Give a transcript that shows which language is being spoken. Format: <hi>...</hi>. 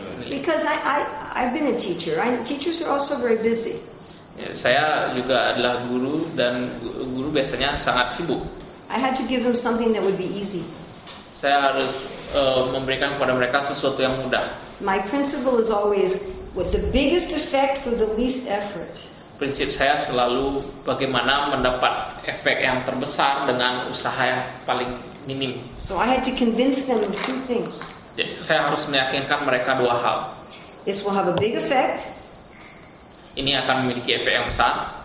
<en>Because I've been a teacher. Teachers are also very busy.</en> <id>Saya juga adalah guru dan guru biasanya sangat sibuk.</id> <en>I had to give them something that would be easy.</en> <id>Saya harus memberikan kepada mereka sesuatu yang mudah.</id> <en>My principle is always with the biggest effect for the least effort.</en> <id>Prinsip saya selalu bagaimana mendapat efek yang terbesar dengan usaha yang paling minim.</id> <en>So I had to convince them of 2 things.</en> <id>Saya harus meyakinkan mereka 2 hal.</id> <en>This will have a big effect.</en> <id>Ini akan memiliki efek yang besar.</id>